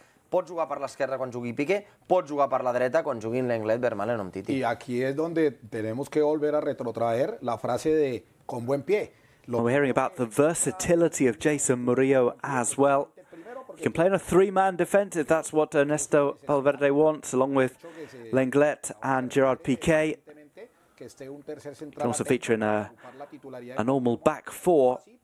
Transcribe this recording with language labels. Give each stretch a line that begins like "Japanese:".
Catalan: Pot jugar per l'esquerra quan jugui Piqué, pot jugar per la dreta quan juguin l'Englet, Vermaelen o Umtiti.
Spanish: Y aquí es donde tenemos que volver a retrotraer la frase de con buen pie.
English: We're hearing about the versatility of Jason Murillo as well. He can play in a three-man defense if that's what Ernesto Valverde wants, along with l'Englet and Gerard Piqué. He can also feature in a normal back four.